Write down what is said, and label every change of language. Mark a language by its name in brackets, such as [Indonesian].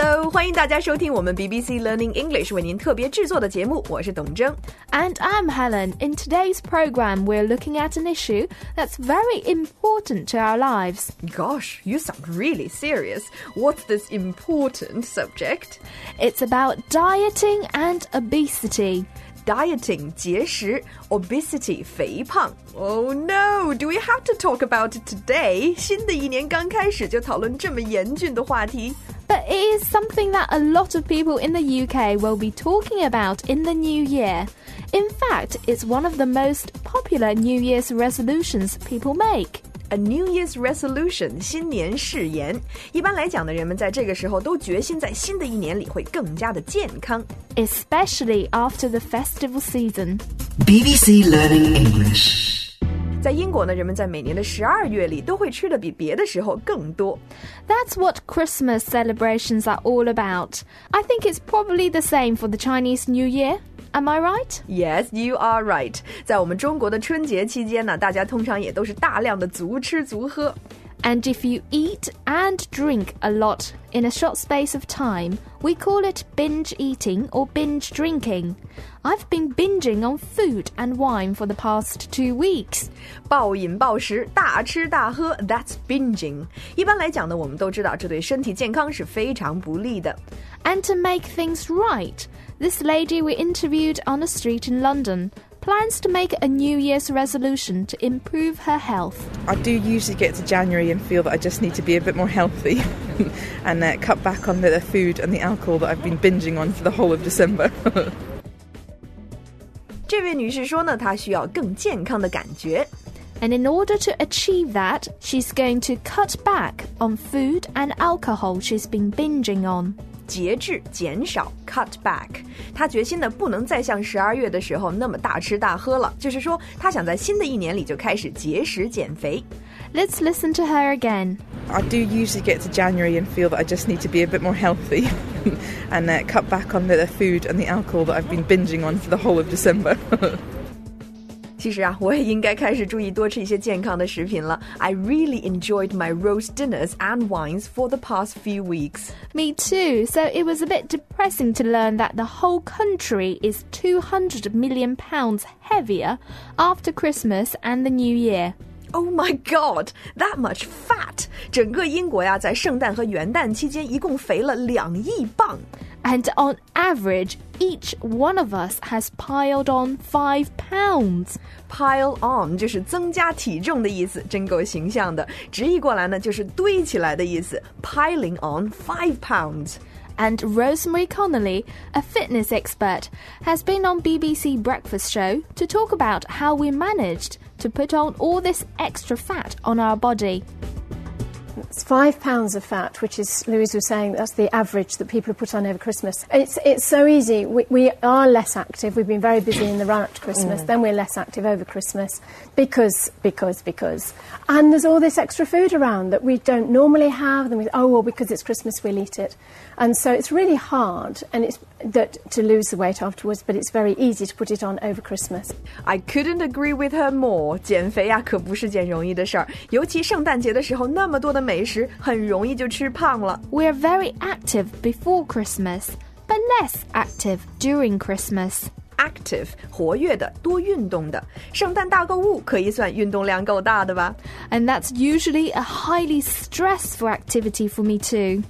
[Chinese] 欢迎大家收听我们 BBC Learning English 为您特别制作的节目，我是董征。 [English] And I'm Helen. In today's program, we're looking at an issue that's very important to our lives. Gosh, you sound really serious. What's this important subject? It's about dieting and obesity. Dieting, 节食 obesity, 肥胖 Oh no, do we have to talk about it today? [Chinese] 新的一年刚开始就讨论这么严峻的话题 [English] But it is something that a lot of people in the UK will be talking about in the new year. In fact, it's one of the most popular New Year's resolutions people make. A New Year's resolution, 新年誓言。 [Chinese] 一般来讲呢，人们在这个时候都决心在新的一年里会更加的健康。 [English] Especially after the festival season. BBC Learning English. [Chinese] 在英国呢，人们在每年的十二月里都会吃的比别的时候更多。 [English] That's what Christmas celebrations are all about. I think it's probably the same for the Chinese New Year. Am I right? Yes, you are right. [Chinese] 在我们中国的春节期间呢，大家通常也都是大量的足吃足喝。 [English] And if you eat and drink a lot in a short space of time, we call it binge eating or binge drinking. I've been binging on food and wine for the past 2 weeks. [Chinese] 暴饮暴食，大吃大喝 [English] that's binging. [Chinese] 一般来讲呢，我们都知道这对身体健康是非常不利的。 [English] And to make things right,This lady we interviewed on a street in London plans to make a New Year's resolution to improve her health. I do usually get to January and feel that I just need to be a bit more healthy and cut back on the food and the alcohol that I've been binging on for the whole of December. [Chinese] 这位女士说呢，她需要更健康的感觉。 [English] And in order to achieve that, she's going to cut back on food and alcohol she's been binging on. [Chinese] 节制减少 cut back 他决心呢不能再像十二月的时候那么大吃大喝了就是说他想在新的一年里就开始节食减肥 [English] Let's listen to her again I do usually get to January and feel that I just need to be a bit more healthy and cut back on the food and the alcohol that I've been binging on for the whole of December [Chinese] 其实啊我也应该开始注意多吃一些健康的食品了 [English] I really enjoyed my roast dinners and wines for the past few weeks Me too, so it was a bit depressing to learn that the whole country is 200 million pounds heavier after Christmas and the New Year Oh my god, that much fat [Chinese] 整个英国呀在圣诞和元旦期间一共肥了两亿磅 [English] And on average,Each one of us has piled on 5 pounds. [Chinese] Pile on 就是增加体重的意思，真够形象的。直译过来呢，就是堆起来的意思。 [English] Piling on 5 pounds. And Rosemary Connolly, a fitness expert, has been on BBC Breakfast Show to talk about how we managed to put on all this extra fat on our body. It's 5 pounds of fat, which is, Louise was saying, that's the average that people have put on over Christmas. It's so easy. We are less active. We've been very busy in the run-up to Christmas. Then we're less active over Christmas because. And there's all this extra food around that we don't normally have. And because it's Christmas, we'll eat it. And so it's really hard and to lose the weight afterwards, but it's very easy to put it on over Christmas. I couldn't agree with her more. [Chinese] 减肥啊，可不是件容易的事儿，尤其圣诞节的时候，那么多的美食，很容易就吃胖了。 [English] We are very active before Christmas, but less active during Christmas. [Chinese] Active, 活跃的，多运动的。圣诞大购物可以算运动量够大的吧。 [English] And that's usually a highly stressful activity for me too.